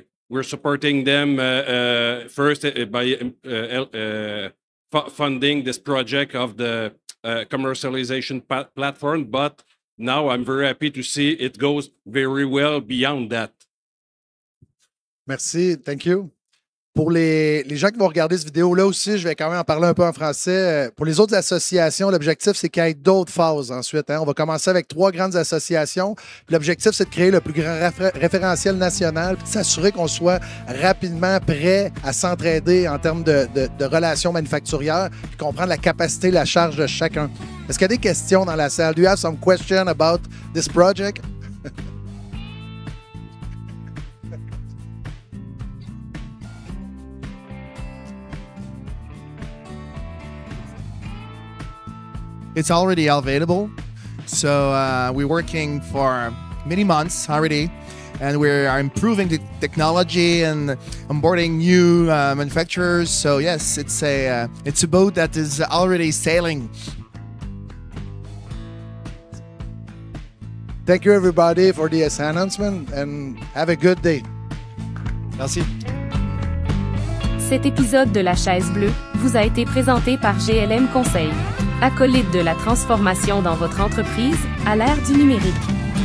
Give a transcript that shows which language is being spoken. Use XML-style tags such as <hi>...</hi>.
<en>We're supporting them first by funding this project of the commercialization platform, but now I'm very happy to see it goes very well beyond that.</en> <fr>Merci,</fr> <en>thank you.</en> <fr>Pour les gens qui vont regarder cette vidéo-là aussi, je vais quand même en parler un peu en français. Pour les autres associations, l'objectif, c'est qu'il y ait d'autres phases ensuite. Hein. On va commencer avec trois grandes associations. L'objectif, c'est de créer le plus grand référentiel national puis de s'assurer qu'on soit rapidement prêt à s'entraider en termes de relations manufacturières puis comprendre la capacité, la charge de chacun. Est-ce qu'il y a des questions dans la salle?</fr> <en>Do you have some questions about this project? It's already available, so we're working for many months already, and we are improving the technology and onboarding new manufacturers. So yes, it's a boat that is already sailing. Thank you, everybody, for this announcement, and have a good day.</en> <fr>Merci. Cet épisode de La Chaise Bleue vous a été présenté par GLM Conseil. Acolyte de la transformation dans votre entreprise à l'ère du numérique.</fr>